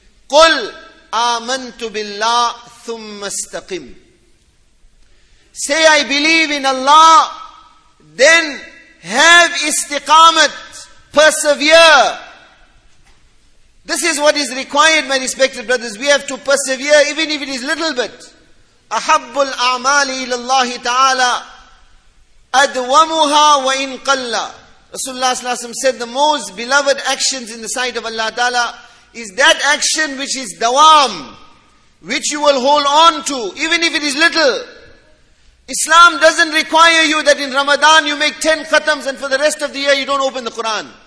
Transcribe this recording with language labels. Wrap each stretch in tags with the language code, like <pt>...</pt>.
<ar>قُلْ آمَنْتُ بِاللَّهِ ثُمَّ اسْتَقِمْ.</ar> <en>Say, I believe in Allah, then have istiqamat, persevere. This is what is required, my respected brothers. We have to persevere, even if it is little bit.</en> <ar>أحب الأعمال إلى الله تعالى أدومها وإن قل.</ar> <en>Rasulullah صلى الله عليه وسلم said the most beloved actions in the sight of Allah Ta'ala is that action which is dawam, which you will hold on to even if it is little. Islam doesn't require you that in Ramadan you make 10 khatams and for the rest of the year you don't open the Quran.</en>